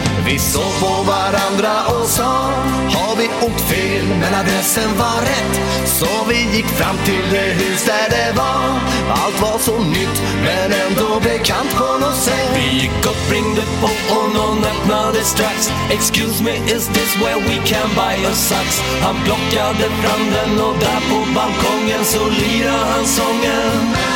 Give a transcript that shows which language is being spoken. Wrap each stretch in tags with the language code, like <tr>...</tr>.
<sv>Vi såg på varandra och sa, har vi åkt fel, men adressen var rätt. Så vi gick fram till det hus där det var. Allt var så nytt, men ändå bekant på något sätt. Vi gick och ringde på och någon öppnade strax.</sv> <en>Excuse me, is this where we can buy a sax?</en> <sv>Han plockade fram den och där på balkongen så lirade han sången.</sv>